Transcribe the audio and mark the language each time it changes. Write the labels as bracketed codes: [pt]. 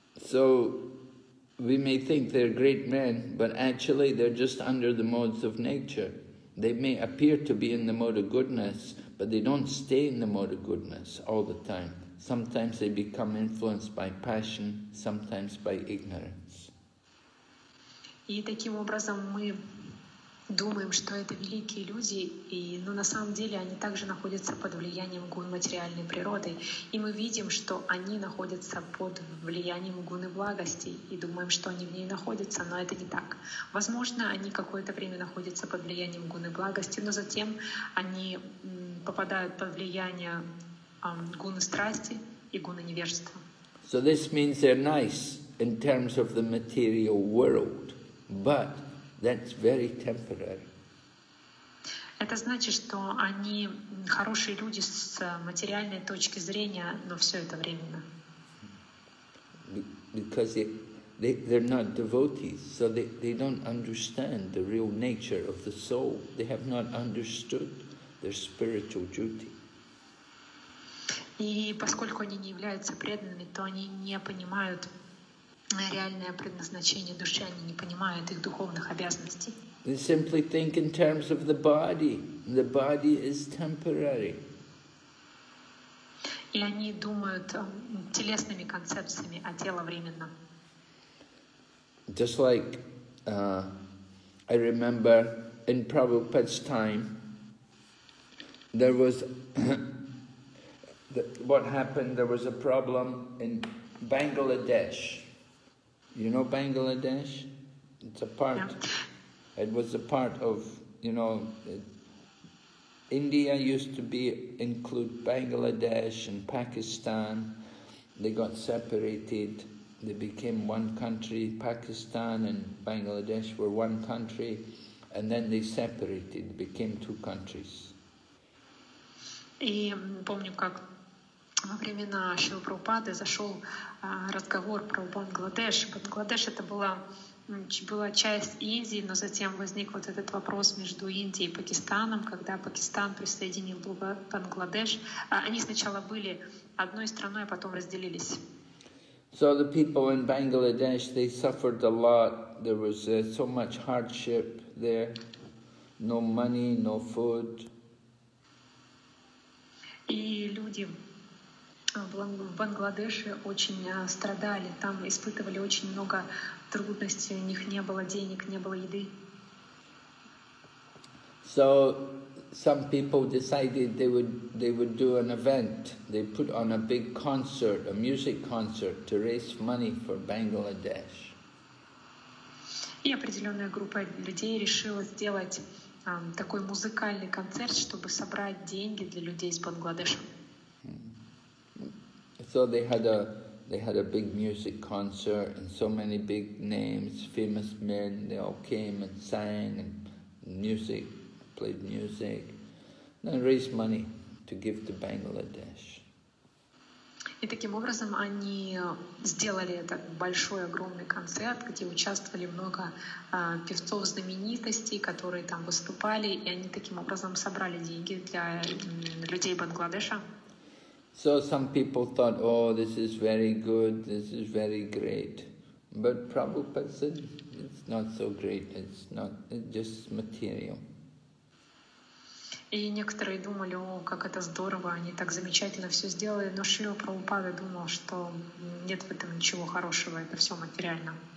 [en] So we may think they're great men, but actually they're just under the modes of nature. They may appear to be in the mode of goodness, but they don't stay in the mode of goodness all the time. Sometimes they become influenced by passion, sometimes by ignorance. [ru] И таким образом мы думаем, что это великие люди, но на самом деле они также находятся под влиянием гуны материальной природы. И мы видим, что они находятся под влиянием гуны благости, и думаем, что они в ней находятся, но это не так. Возможно, они какое-то время находятся под влиянием гуны благости, но затем они попадают под влияние гуны страсти и гуны невежества. [en] So this means they're nice in terms of the material world, but that's very temporary. [ru] Это значит, что они хорошие люди с материальной точки зрения, но все это временно. [en] Because they're not devotees, so they don't understand the real nature of the soul. They have not understood their spiritual duty. [ru] И поскольку они не являются преданными, то они не понимают реальное предназначение души, они не понимают их духовных обязанностей. [en] They simply think in terms of the body. The body is temporary. [ru] И они думают телесными концепциями, а тело временно. [en] Just like I remember in Prabhupada's time, there was what happened. There was a problem in Bangladesh. You know Bangladesh? It's a part, yeah. It was a part of, you know, India used to be include Bangladesh and Pakistan. They got separated, they became one country. Pakistan and Bangladesh were one country, and then they separated, became two countries. [ru] И помню, как во времена Шрилы Прабхупады зашел разговор про Бангладеш. Бангладеш — это была часть Индии, но затем возник вот этот вопрос между Индией и Пакистаном, когда Пакистан присоединил Бангладеш. Они сначала были одной страной, а потом разделились. [en] So the people in Bangladesh, they suffered a lot. There was so much hardship there. No money, no food. [ru] И люди в Бангладеше очень страдали, там испытывали очень много трудностей, у них не было денег, не было еды. [en] So some people decided they would do an event. They put on a big concert, a music concert to raise money for Bangladesh. [ru] И определенная группа людей решила сделать такой музыкальный концерт, чтобы собрать деньги для людей из Бангладеша. [en] So they had a big music concert, and so many big names, famous men, they all came and sang and music, played music, and raised money to give to Bangladesh. [ru] И таким образом они сделали этот большой, огромный концерт, где участвовали много певцов, знаменитостей, которые там выступали, и они таким образом собрали деньги для людей Бангладеша. [en] So some people thought, oh, this is very good, this is very great. But Prabhupada said, it's not so great, it's just material. [ru] И некоторые думали, о, как это здорово, они так замечательно все сделали, но Шрила Прабхупада думал, что нет в этом ничего хорошего, это все материально.